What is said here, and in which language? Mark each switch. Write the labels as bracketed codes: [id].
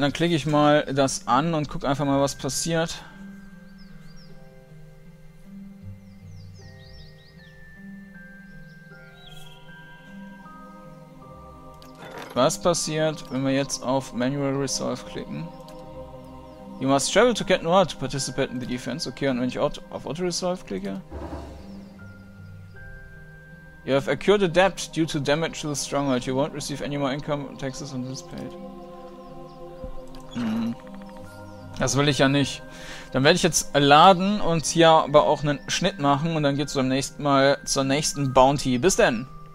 [de] Dann klicke ich mal das an und guck einfach mal, was passiert. Was passiert, wenn wir jetzt auf Manual Resolve klicken? [en] You must travel to Cat Noir to participate in the defense. [de] Okay, und wenn ich auf Auto Resolve klicke? [en] You have accrued a debt due to damage to the stronghold. You won't receive any more income taxes on this paid. [de] Das will ich ja nicht. Dann werde ich jetzt laden und hier aber auch einen Schnitt machen und dann geht's beim nächsten Mal zur nächsten Bounty. Bis denn!